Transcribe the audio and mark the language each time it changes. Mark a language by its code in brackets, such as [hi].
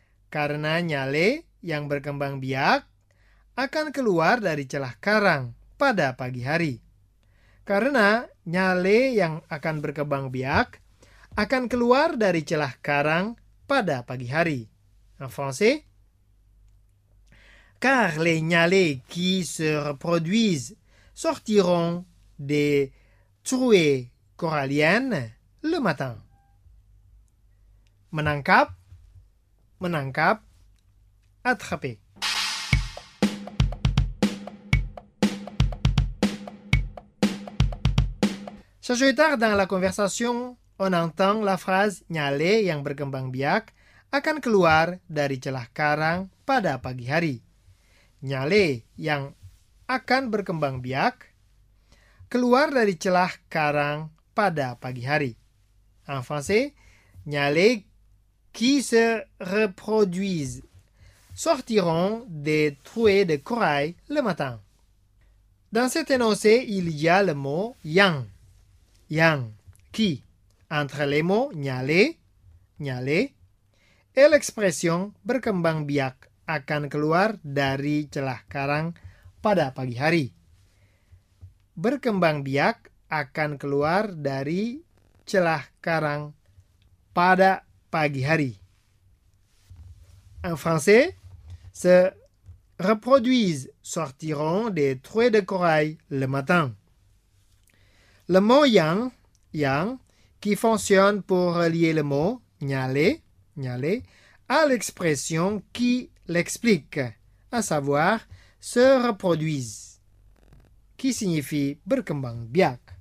[id] Karena nyale yang berkembang biak akan keluar dari celah karang pada pagi hari. Karena nyale yang akan berkembang biak akan keluar dari celah karang pada pagi hari. [fr] En français? Car les nyalés qui se reproduisent sortiront des trouées coralliennes le matin. [id] Menangkap, menangkap, attraper. [fr] Ça joue tard dans la conversation. On entend la phrase [id] nyale yang berkembang biak akan keluar dari celah karang pada pagi hari. Nyale yang akan berkembang biak keluar dari celah karang pada pagi hari. [fr] En français, nyale qui se reproduisent. sortiront des trous de corail le matin. Dans cet énoncé, il y a le mot yang. [id] Yang, [fr] qui, entre les mots [id] nyale, nyale, [fr] et l'expression [id] berkembang biak, akan keluar dari celah karang pada pagi hari. Berkembang biak akan keluar dari celah karang pada pagi hari. [fr] En français, se reproduisent, sortiront des trous de corail le matin. Le mot yang, yang, qui fonctionne pour relier le mot nyale, nyale, à l'expression qui l'explique, à savoir se reproduisent, qui signifie berkembang biak.